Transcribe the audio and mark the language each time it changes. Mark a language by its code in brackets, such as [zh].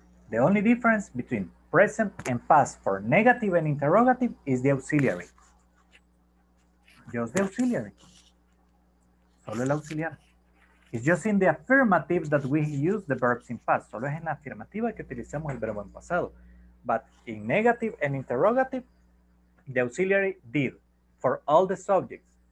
[en] The only difference between present and past for negative and interrogative is the auxiliary. Just the auxiliary. [es] Solo el auxiliar. [en] It's just in the affirmative that we use the verbs in past. [es] Solo es en la afirmativa que utilizamos el verbo en pasado. [en] But in negative and interrogative, the auxiliary did for all the subjects.